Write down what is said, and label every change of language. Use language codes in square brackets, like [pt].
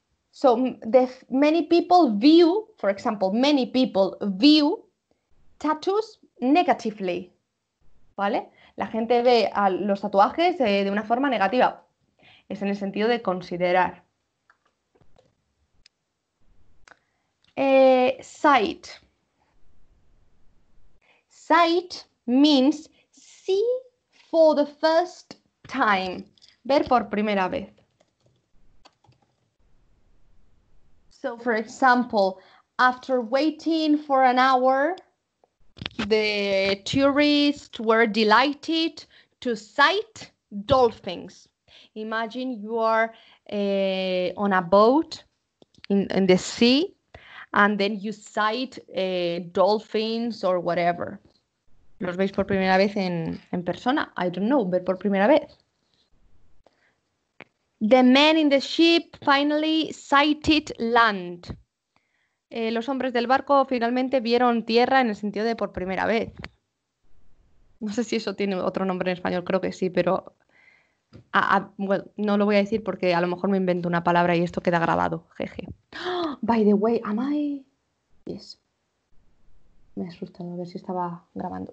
[en] So, many people view, for example, many people view tattoos negatively. [es] ¿Vale? La gente ve a los tatuajes de una forma negativa. Es en el sentido de considerar. [en] Sight. Sight means see for the first time. [es] Ver por primera vez. [en] So, for example, after waiting for an hour, the tourists were delighted to sight dolphins. Imagine you are on a boat in the sea, and then you sight dolphins or whatever. [es] ¿Los veis por primera vez en persona? [en] I don't know, [es] ver por primera vez. [en] The men in the ship finally sighted land. [es] Los hombres del barco finalmente vieron tierra en el sentido de por primera vez. No sé si eso tiene otro nombre en español, creo que sí, pero bueno, no lo voy a decir porque a lo mejor me invento una palabra y esto queda grabado, jeje. [en] By the way, am I? Yes. [es] Me he asustado, a ver si estaba grabando.